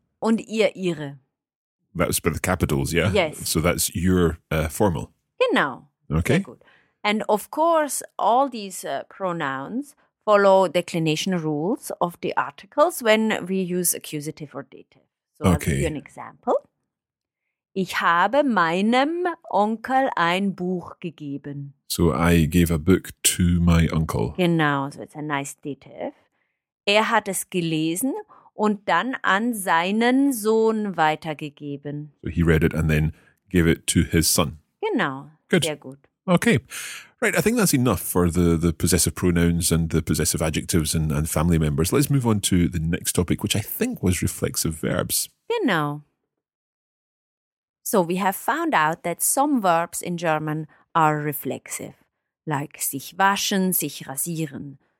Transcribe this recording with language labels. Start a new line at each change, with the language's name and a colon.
German: Und ihr, ihre.
English: That's for the capitals, yeah? Yes. So that's your formal.
German: Genau.
English: Okay. Very good. And of course, all these pronouns follow declination rules of the articles when we use accusative or dative. So okay. I'll give you an example.
German: Ich habe meinem Onkel ein Buch gegeben.
English: So I gave a book to my uncle.
German: Genau,
English: so it's a nice dative.
German: Er hat es gelesen und dann an seinen Sohn weitergegeben.
English: So he read it and then gave it to his son.
German: Genau,
English: good.
German: Sehr gut.
English: Okay, right, I think that's enough for the possessive pronouns and the possessive adjectives and family members. Let's move on to the next topic, which I think was reflexive verbs.
German: Genau.
English: So we have found out that some verbs in German are reflexive, like sich waschen, sich rasieren.